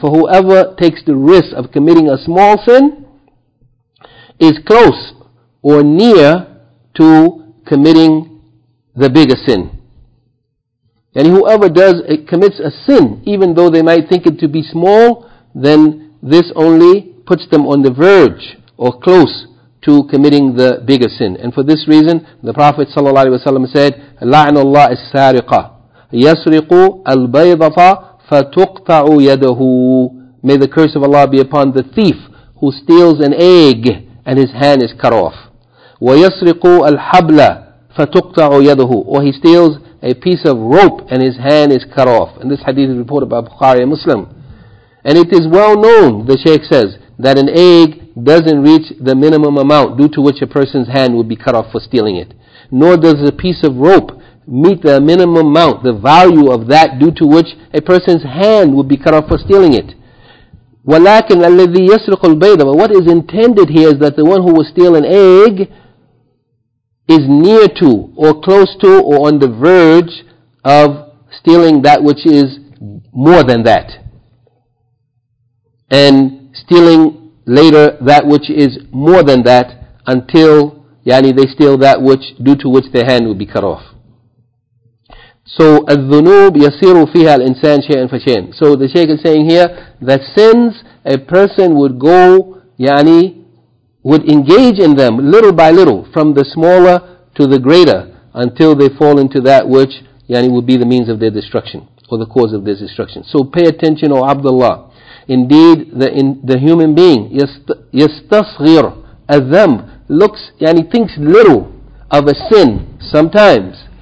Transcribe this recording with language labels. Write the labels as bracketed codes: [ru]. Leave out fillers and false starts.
[en] For whoever takes the risk of committing a small sin is close or near to committing the bigger sin. And whoever commits a sin, even though they might think it to be small, then this only puts them on the verge or close to committing the bigger sin. And for this reason, the Prophet ﷺ said, [ar] لَعْنَ اللَّهِ السَّارِقَ يَسْرِقُ الْبَيْضَفَ فَتُقْطَعُ يَدَهُ. [en] May the curse of Allah be upon the thief who steals an egg and his hand is cut off. [ar] وَيَسْرِقُ الْحَبْلَ فَتُقْطَعُ يَدَهُ. [en] Or he steals a piece of rope and his hand is cut off. And this hadith is reported by Bukhari and Muslim. And it is well known, the Shaykh says, that an egg doesn't reach the minimum amount due to which a person's hand would be cut off for stealing it. Nor does a piece of rope meet the minimum amount, the value of that due to which a person's hand would be cut off for stealing it. [ar] وَلَكِنْ الَّذِي يَسْرِقُ الْبَيْضَ. [en] But what is intended here is that the one who will steal an egg is near to, or close to, or on the verge of stealing that which is more than that. And stealing later that which is more than that, until they steal that which due to which their hand will be cut off. So [ar] الذنوب يصير فيها الإنسان شيئا فشيئا. [en] So the Shaykh is saying here that sins, a person would go, would engage in them little by little, from the smaller to the greater, until they fall into that which would be the means of their destruction, or the cause of their destruction. So pay attention, O Abdullah. Indeed, the human being [ar] يستصغر الذنب, [en] looks, thinks little of a sin sometimes.